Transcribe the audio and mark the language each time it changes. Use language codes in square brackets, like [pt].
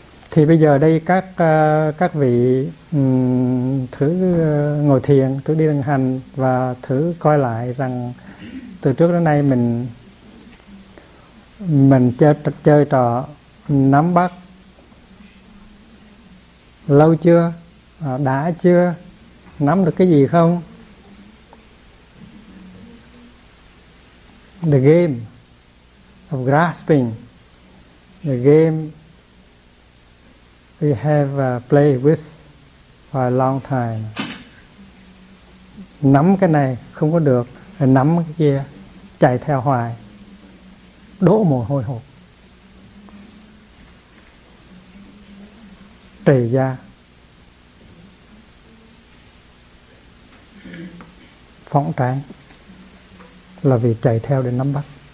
[vi] Thì bây giờ đây các vị thử ngồi thiền, thử đi thực hành và thử coi lại rằng từ trước đến nay mình chơi trò nắm bắt lâu chưa, đã chưa, nắm được cái gì không? [en] The game of grasping, the game we have played with for a long time. [vi] Nắm cái này không có được, nắm cái kia chạy theo hoài, đổ mồ hôi hột. Trì gia, phóng tráng là vì chạy theo để nắm bắt.